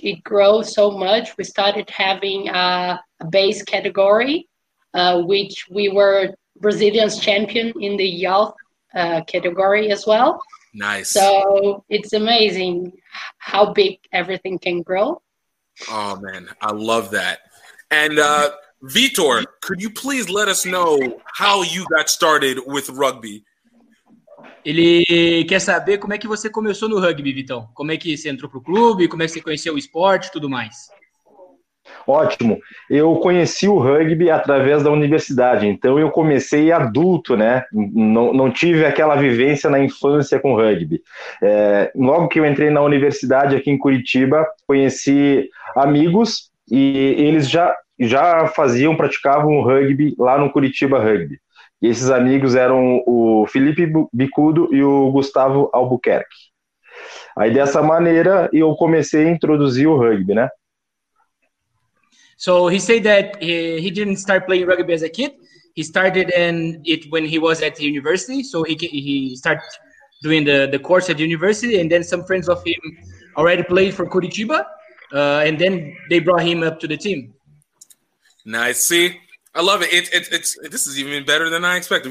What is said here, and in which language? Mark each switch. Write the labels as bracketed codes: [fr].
[en] It grew so much. We started having a base category, which we were Brazilian's champion in the youth category as well. Nice. So it's amazing how big everything can grow. Oh, man, I love that. And Vitor, could you please let us know how you got started with rugby? [pt] Ele quer saber como é que você começou no rugby, Vitão. Como é que você entrou pro clube, como é que você conheceu o esporte, tudo mais. Ótimo. Eu conheci o rugby através da universidade. Então eu comecei adulto, né? Não tive aquela vivência na infância com rugby. Logo que eu entrei na universidade aqui em Curitiba, conheci amigos. E eles já praticavam rugby lá no Curitiba Rugby. E esses amigos eram o Felipe Bicudo e o Gustavo Albuquerque. Aí dessa maneira eu comecei a introduzir o rugby, né? [en] So he said that he didn't start playing rugby as a kid. He started in it when he was at the university. So he started doing the course at the university, and then some friends of him already played for Curitiba, and then they brought him up to the team. Nice. See, I love it. This is even better than I expected.